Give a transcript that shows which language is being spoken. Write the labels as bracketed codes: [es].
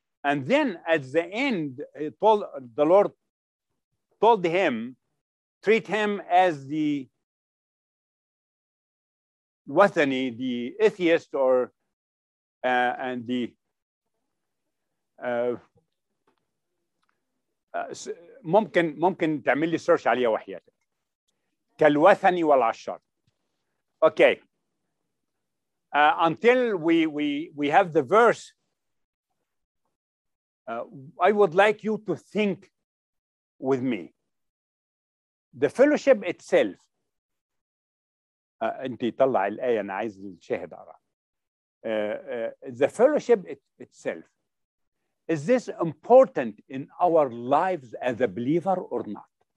[en] And then at the end, the Lord told him, treat him as the Wathani, the atheist, or and the [ar] ممكن تعمل لي سيرش عليها وحياتك كالوثني والعشر. [en] Okay. Until we have the verse, I would like you to think with me. The fellowship itself. [ar] انتي طلع الآية انا عايز الشاهد على. [en] The fellowship itself. Is this important in our lives as a believer or not?